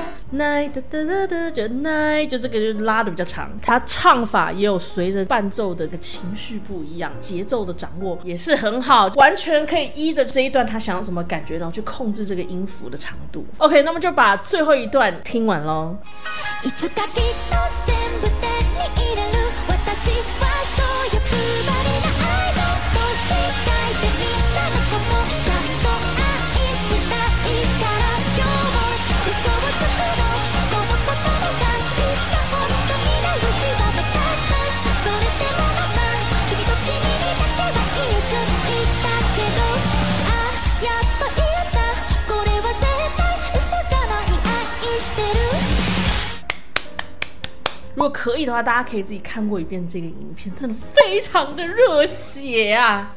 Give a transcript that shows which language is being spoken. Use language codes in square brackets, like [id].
[zh] night 哒哒哒哒，就 night， 就这个就拉的比较长。他唱法也有随着伴奏的个情绪不一样，节奏的掌握也是很好，完全可以依着这一段他想要什么感觉，然后去控制这个音符的长度。 OK， 那么就把最后一段听完喽。 [ja] いつかきっと全部手に入れる私はそう欲張りな愛の星描いてみんなのことちゃんと愛したいから今日も嘘をつくのこの言葉がいつか本当になる日は迎えたいそれでもまた君と君にだけは言えずにいたけどあやっと言えたこれは絶対嘘じゃない愛してる。 [zh] 如果可以的话，大家可以自己看过一遍这个影片，真的非常的热血啊。